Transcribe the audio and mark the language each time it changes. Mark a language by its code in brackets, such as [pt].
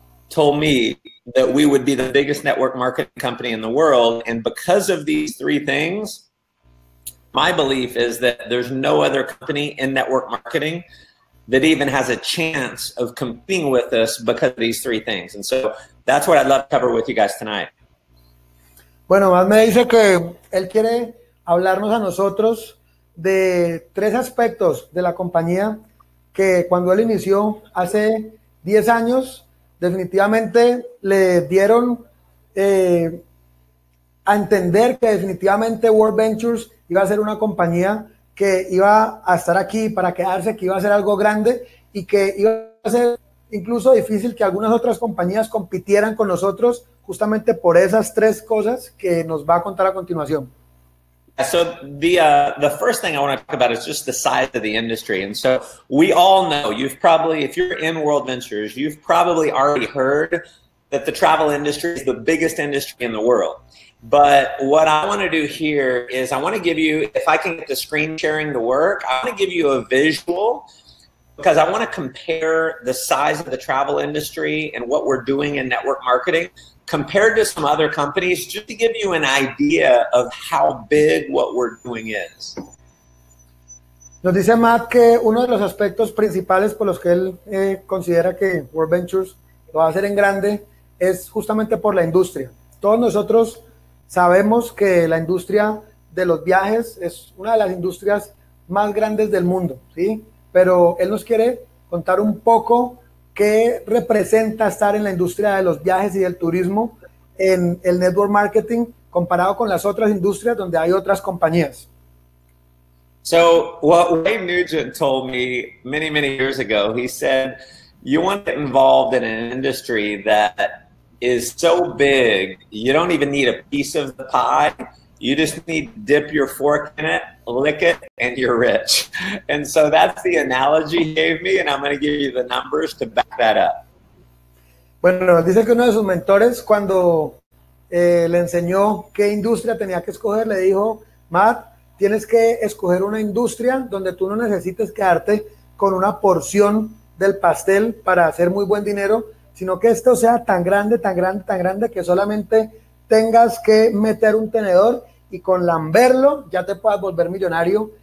[en] told me that we would be the biggest network marketing company in the world. And because of these three things, my belief is that there's no other company in network marketing that even has a chance of competing with us because of these three things. And so that's what I'd love to cover with you guys tonight. [es] Bueno, más me dice que él quiere hablarnos a nosotros de tres aspectos de la compañía que cuando él inició hace 10 años, definitivamente le dieron a entender que definitivamente World Ventures iba a ser una compañía que iba a estar aquí para quedarse, que iba a ser algo grande y que iba a ser incluso difícil que algunas otras compañías compitieran con nosotros justamente por esas tres cosas que nos va a contar a continuación. [en] So the first thing I want to talk about is just the size of the industry. And so we all know, you've probably, if you're in World Ventures, you've probably already heard that the travel industry is the biggest industry in the world. But what I want to do here is I want to give you, if I can get the screen sharing to work, I want to give you a visual because I want to compare the size of the travel industry and what we're doing in network marketing compared to some other companies, just to give you an idea of how big what we're doing is. [es] Nos dice Matt que uno de los aspectos principales por los que él considera que World Ventures lo va a hacer en grande es justamente por la industria. Todos nosotros sabemos que la industria de los viajes es una de las industrias más grandes del mundo, ¿sí? Pero él nos quiere contar un poco qué representa estar en la industria de los viajes y del turismo en el network marketing comparado con las otras industrias donde hay otras compañías. [en] So, what Wayne Nugent told me many, many years ago, he said, you want to get involved in an industry that is so big, you don't even need a piece of the pie. You just need to dip your fork in it, lick it, and you're rich. And so that's the analogy he gave me, and I'm going to give you the numbers to back that up. [es] Bueno, dice que uno de sus mentores, cuando le enseñó qué industria tenía que escoger, le dijo, Matt, tienes que escoger una industria donde tú no necesites quedarte con una porción del pastel para hacer muy buen dinero, sino que esto sea tan grande, tan grande, tan grande que solamente tengas que meter un tenedor y con lamberlo ya te puedas volver millonario.